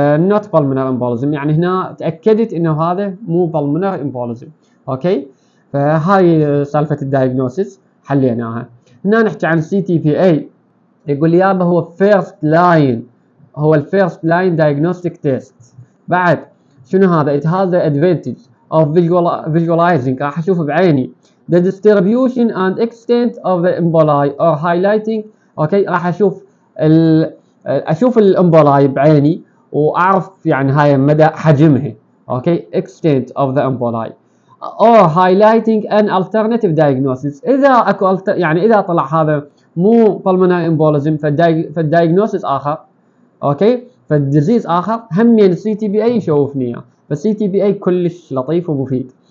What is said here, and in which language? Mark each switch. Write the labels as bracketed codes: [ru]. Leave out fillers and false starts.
[en] not pulmonary embolism، [ar] يعني هنا تأكدت انه هذا مو pulmonary embolism. اوكي، فهاي سالفة الدايجنوسيس حليناها. هنا نحكي عن CTPA، يقول يابا هو first line، هو ال first line diagnostic test. بعد شنو هذا؟ [en] it has the advantage of visualizing، [ar] راح اشوفه بعيني، [en] the distribution and extent of the emboli or highlighting. [ar] اوكي، راح اشوف اشوف الامبولاي بعيني واعرف يعني هاي مدى حجمها. [en] Okay, extent of the emboli or highlighting an alternative diagnosis. [ar] اذا اكو يعني اذا طلع هذا مو pulmonary embolism فالدايجنوسيس اخر، اوكي، فالديزيز اخر، هم يعني CTPA يشوفني، فالCTPA كلش لطيف ومفيد.